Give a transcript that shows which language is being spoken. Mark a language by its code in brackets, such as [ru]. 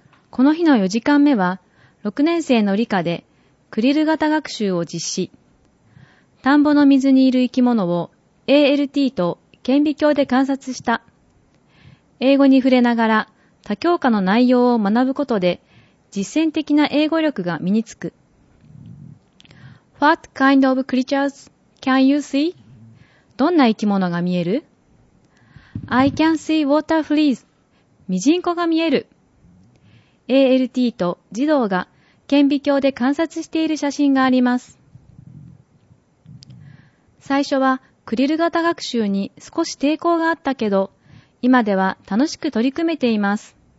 [ja] この日の4時間目は、6年生の理科でクリル型学習を実施。田んぼの水にいる生き物を ALT と顕微鏡で観察した。英語に触れながら多教科の内容を学ぶことで実践的な英語力が身につく。 [en] What kind of creatures can you see? [ja] どんな生き物が見える? [en] I can see water fleas. [ja] ミジンコが見える。 ALT と児童が顕微鏡で観察している写真があります。最初はクリル型学習に少し抵抗があったけど、今では楽しく取り組めています。